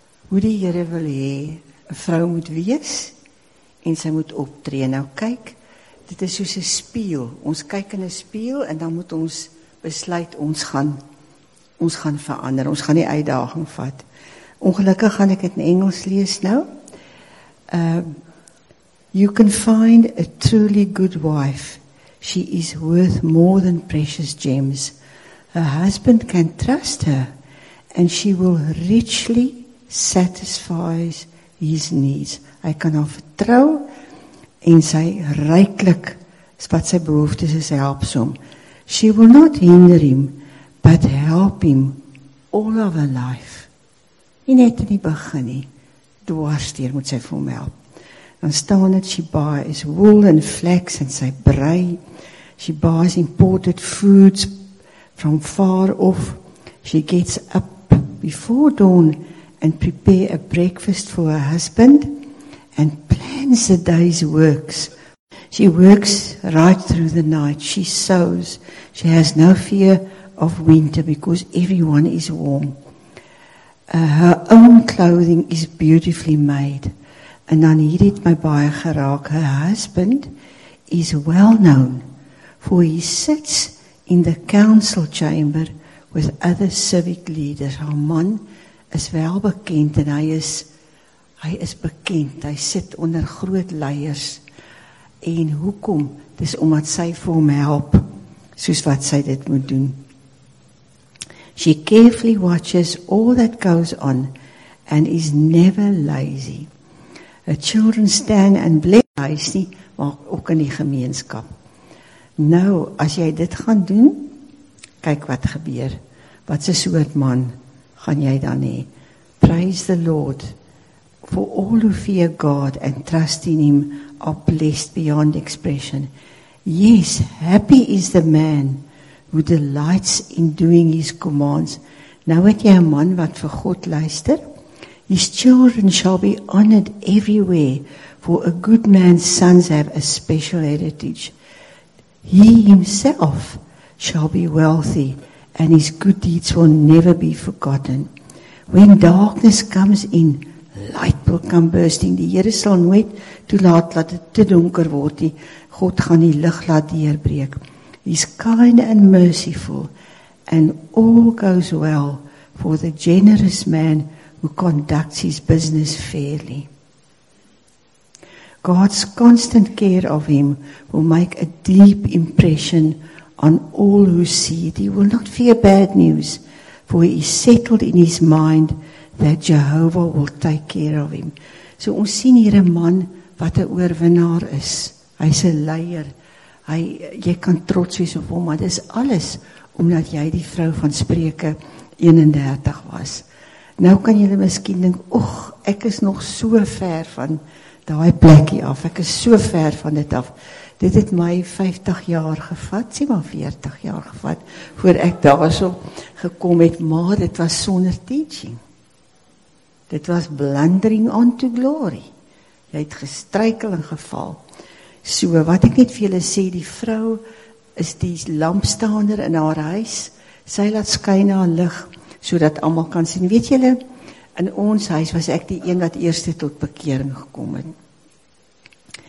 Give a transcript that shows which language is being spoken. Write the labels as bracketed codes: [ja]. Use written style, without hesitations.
[af] Hoe die Here wil hê, 'n vrou moet wees, en sy moet optree. Nou kyk, dit is soos 'n spieël. Ons kyk in 'n spieël en dan moet ons besluit, ons gaan verander, ons gaan die uitdaging vat. Ongelukkig gaan ek het in Engels lees nou. [en] You can find a truly good wife. She is worth more than precious gems. Her husband can trust her and she will richly satisfy his needs. [af] Hy kan haar vertrou en sy ryklik wat sy behoeftes is helpsom. [en] She will not hinder him, but help him all of her life. [af] Nie net in die begin nie, dwarsteer moet sy vir hom help. Dan staan het, [en] she buys wool and flax and [af] sy brei. [en] She buys imported foods from far off. She gets up before dawn and prepare a breakfast for her husband and plans the day's works. She works right through the night. She sews. She has no fear of winter because everyone is warm. Her own clothing is beautifully made. And [af] dan hier het my baie geraak. [en] Her husband is well known, for he sits in the council chamber with other civic leaders. [af] Haar man is wel bekend en hy is bekend. Hy sit onder groot leiers. En hoekom? Dis omdat sy vir hom help, soos wat sy dit moet doen. [en] She carefully watches all that goes on and is never lazy. Her children stand and bless her, [af] maar ook in die gemeenskap. Nou, as jy dit gaan doen, kyk wat gebeur. Wat 'n soort man gaan jy dan hê? [en] Praise the Lord for all who fear God and trust in Him are blessed beyond expression. Yes, happy is the man who delights in doing His commands. [af] Nou het jy 'n man wat vir God luister. [en] His children shall be honored everywhere, for a good man's sons have a special heritage. He himself shall be wealthy, and his good deeds will never be forgotten. When darkness comes in, light will come bursting. [af] Die Here sal nooit toelaat dat het te donker word. God gaan die lig laat deurbreek. [en] He's kind and merciful, and all goes well for the generous man who conducts his business fairly. God's constant care of him will make a deep impression on all who see it. He will not fear bad news, for he is settled in his mind that Jehovah will take care of him. [af] So ons sien hier 'n man wat 'n oorwinnaar is. Hy's 'n leier. Jy kan trots wees op hom, maar dis alles omdat jy die vrou van Spreuke 31 was. Nou kan jy miskien dink, oeg, ek is nog so ver van daai plekkie af. Ek is so ver van dit af. Dit het my 50 jaar gevat, sê maar 40 jaar gevat, voor ek daarso gekom het, maar dit was sonder teaching. Dit was [en] blundering onto glory. [af] Jy het gestruikel en geval. So, wat ek net vir julle sê, die vrou is die lampstaander in haar huis. Sy laat skyn haar lig, sodat almal kan sien. Weet julle, in ons huis was ek die een wat eerste tot bekering gekom het.